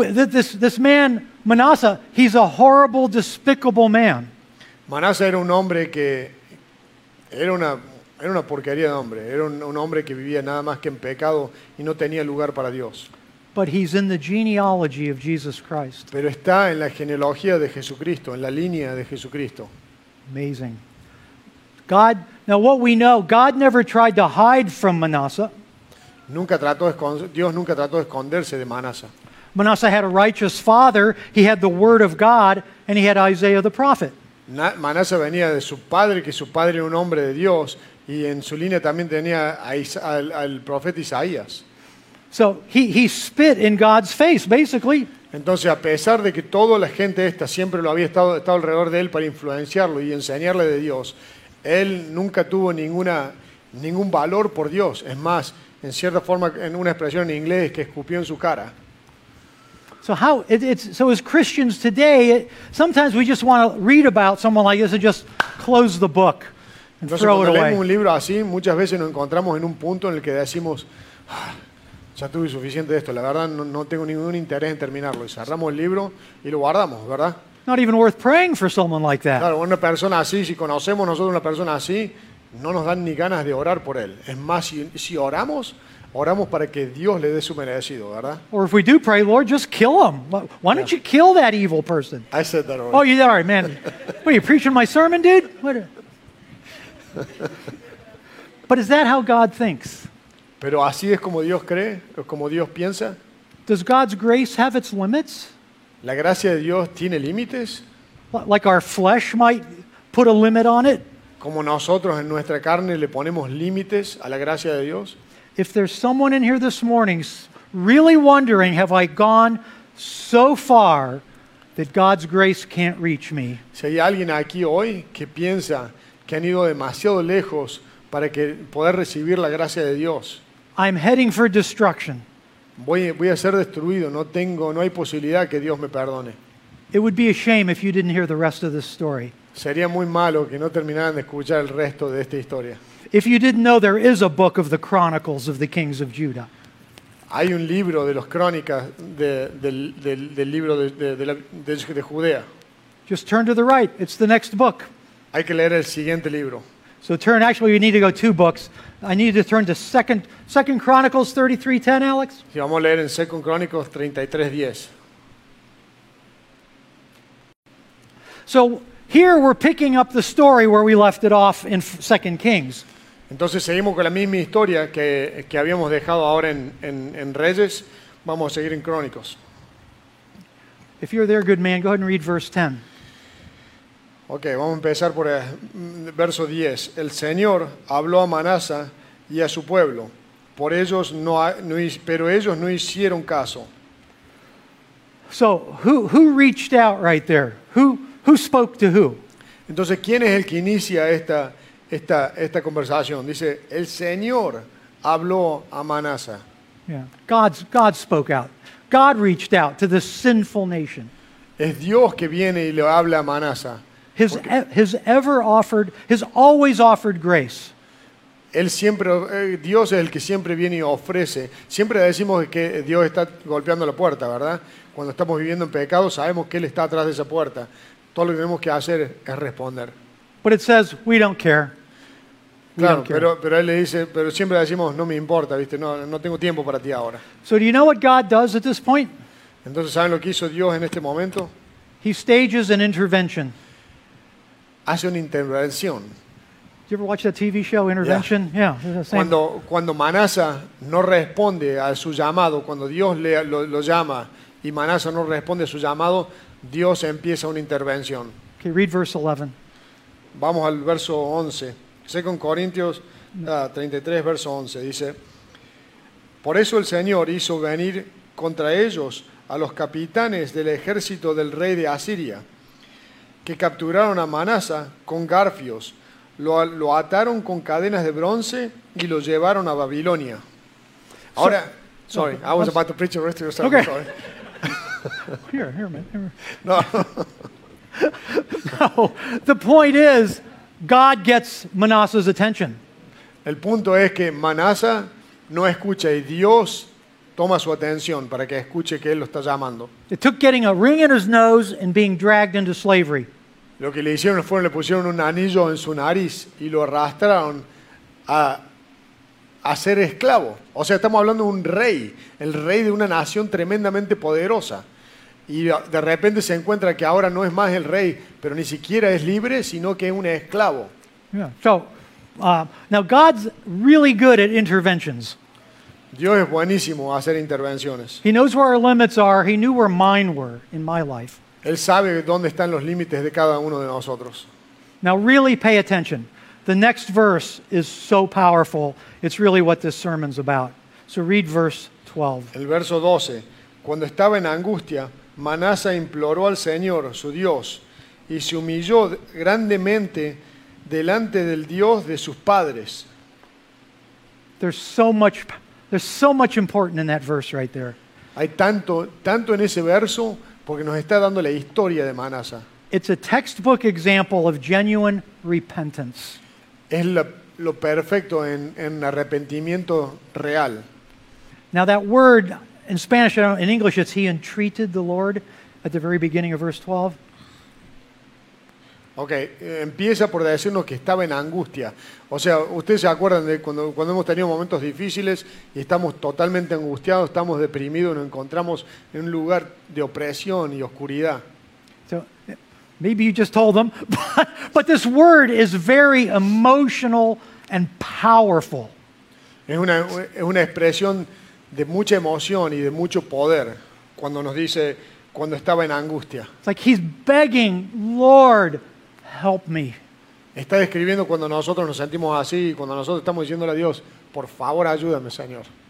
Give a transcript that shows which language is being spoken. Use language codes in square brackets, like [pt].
[en] This man Manasseh, he's a horrible, despicable man. [es] Manasseh era un hombre que era una porquería de hombre. Era un hombre que vivía nada más que en pecado y no tenía lugar para Dios. [en] But he's in the genealogy of Jesus Christ. [es] Pero está en la genealogía de Jesucristo, en la línea de Jesucristo. [en] Amazing. God. Now, what we know, God never tried to hide from Manasseh. [es] Dios nunca trató de esconderse de Manasseh. [en] Manasseh had a righteous father. He had the word of God, and he had Isaiah the prophet. [es] Manasseh venía de su padre, que su padre era un hombre de Dios, y en su línea también tenía al profeta Isaías. [en] So he spit in God's face, basically. [es] Entonces, a pesar de que toda la gente esta siempre lo había estado alrededor de él para influenciarlo y enseñarle de Dios, él nunca tuvo ningún valor por Dios. Es más, en cierta forma, en una expresión en inglés, que escupió en su cara. [en] So as Christians today, sometimes we just want to read about someone like this and just close the book and [es] Entonces, [en] throw it away. [es] Leemos un libro así, muchas veces nos encontramos en un punto en el que decimos, ya tuve suficiente de esto, la verdad no tengo ningún interés en terminarlo. Y cerramos el libro y lo guardamos, ¿verdad? [en] Not even worth praying for someone like that. [es] Claro, una persona así, si conocemos nosotros una persona así, no nos dan ni ganas de orar por él. Es más, si oramos para que Dios le dé su merecido, ¿verdad? [en] Or if we do pray, Lord, just kill him. Why don't you kill that evil person? I said that already. Oh, you did? All right, man. What, are you preaching my sermon, dude? But is that how God thinks? [es] Pero así es como Dios cree, como Dios piensa. [en] Does God's grace have its limits? [es] ¿La gracia de Dios tiene límites? [en] Like our flesh might put a limit on it? [es] ¿Como nosotros en nuestra carne le ponemos límites a la gracia de Dios? [en] If there's someone in here this morning really wondering, have I gone so far that God's grace can't reach me? [es] Si hay alguien aquí hoy que piensa que han ido demasiado lejos para que poder recibir la gracia de Dios. [en] I'm heading for destruction. [es] Voy a ser destruido. No hay posibilidad que Dios me perdone. [en] It would be a shame if you didn't hear the rest of this story. [es] Sería muy malo que no terminaran de escuchar el resto de esta historia. [en] If you didn't know, there is a book of the Chronicles of the Kings of Judah. [es] Hay un libro de los crónicas del libro de Judea. [en] Just turn to the right. It's the next book. [es] Hay que leer el siguiente libro. [en] So turn. Actually, you need to go two books. I need to turn to Second Chronicles 33:10, Alex. [es] Sí, vamos a leer en Second Chronicles 33:10. [en] So here we're picking up the story where we left it off in Second Kings. [es] Entonces seguimos con la misma historia que habíamos dejado ahora en Reyes. Vamos a seguir en Crónicos. [en] If you're there, good man, go ahead and read verse 10. [es] Okay, vamos a empezar por el verso 10. El Señor habló a Manasseh y a su pueblo, pero ellos no hicieron caso. [en] So, who reached out right there? Who spoke to who? [es] Entonces, ¿quién es el que inicia esta conversación? Dice, el Señor habló a Manasseh. [en] Yeah. God spoke out. God reached out to this sinful nation. [es] Es Dios que viene y le habla a Manasseh. [en] His always offered grace. [es] Él siempre, Dios es el que siempre viene y ofrece. Siempre decimos que Dios está golpeando la puerta, ¿verdad? Cuando estamos viviendo en pecado, sabemos que Él está atrás de esa puerta. Todo lo que tenemos que hacer es responder. But it says, we don't care. Pero Él le dice, pero siempre decimos, no me importa, ¿viste? No tengo tiempo para ti ahora. [en] So do you know what God does at this point? [es] Entonces, ¿saben lo que hizo Dios en este momento? [en] He stages an intervention. [es] Hace una intervención. [en] Did you ever watch that TV show, Intervention? Yeah. [es] Cuando Manasseh no responde a su llamado, cuando Dios lo llama y Manasseh no responde a su llamado, Dios empieza una intervención. [en] Okay, read verse 11. [es] Vamos al verso 11. Second Corintios 33, verso 11. Dice, por eso el Señor hizo venir contra ellos a los capitanes del ejército del rey de Asiria, que capturaron a Manasa con garfios, lo ataron con cadenas de bronce y lo llevaron a Babilonia. Ahora, [en] sorry, I was about to preach the rest of your sermon. Okay. Sorry. Here, man. No. No. The point is, God gets Manasseh's attention. [es] El punto es que Manasa no escucha y Dios toma su atención para que escuche que él lo está llamando. [en] It took getting a ring in his nose and being dragged into slavery. [es] Lo que le hicieron fue le pusieron un anillo en su nariz y lo arrastraron a ser esclavo. O sea, estamos hablando de un rey, el rey de una nación tremendamente poderosa. Y de repente se encuentra que ahora no es más el rey, pero ni siquiera es libre, sino que es un esclavo. [en] Yeah. So, now God's really good at interventions. [es] Dios es buenísimo a hacer intervenciones. [en] He knows where our limits are. He knew where mine were in my life. [es] Él sabe dónde están los límites de cada uno de nosotros. [en] Now really pay attention. The next verse is so powerful. It's really what this sermon's about. So read verse 12. [es] El verso 12. Cuando estaba en angustia, Manasa imploró al Señor, su Dios, y se humilló grandemente delante del Dios de sus padres. [en] There's so much important in that verse right there. [es] Hay tanto en ese verso porque nos está dando la historia de Manasa. [en] It's a textbook example of genuine repentance. [es] Es lo perfecto en arrepentimiento real. [en] Now that word in Spanish, I don't know, in English it's he entreated the Lord at the very beginning of verse 12. [es] Okay, empieza por decirnos que estaba en angustia. O sea, ustedes se acuerdan de cuando hemos tenido momentos difíciles y estamos totalmente angustiados, estamos deprimidos, nos encontramos en un lugar de opresión y oscuridad. [en] So, maybe you just told them, but this word is very emotional and powerful. [es] Es una expresión de mucha emoción y de mucho poder cuando nos dice cuando estaba en angustia. [en] It's like he's begging, Lord, help me. [es] Está describiendo cuando nosotros nos sentimos así, cuando nosotros estamos diciéndole a Dios, por favor, ayúdame, Señor.